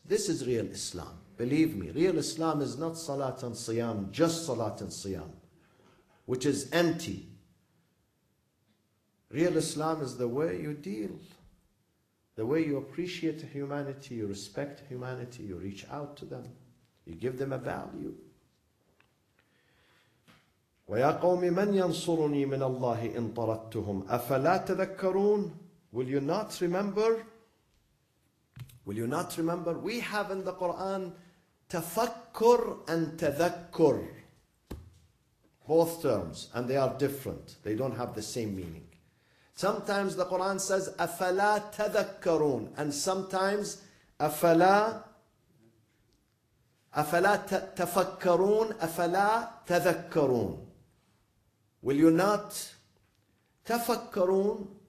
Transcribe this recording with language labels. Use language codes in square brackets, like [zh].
[en] This is real Islam. Believe me, real Islam is not Salat and Siyam, just Salat and Siyam, which is empty. Real Islam is the way you deal, the way you appreciate humanity, you respect humanity, you reach out to them. You give them a value. [ar] وَيَا قَوْمِ مَنْ يَنْصُرُنِي مِنَ اللَّهِ إِنْ طَرَدْتُهُمْ أَفَلَا تَذَكَّرُونَ [en] Will you not remember? Will you not remember? We have in the Quran تفكر and تذكر. Both terms, and they are different. They don't have the same meaning. Sometimes the Quran says [ar] أَفَلَا تَذَكَّرُونَ [en] and sometimes [ar] أَفَلَا تَفَكَّرُونَ أَفَلَا تَذَكَّرُونَ [en] Will you not [ar] تفكرون?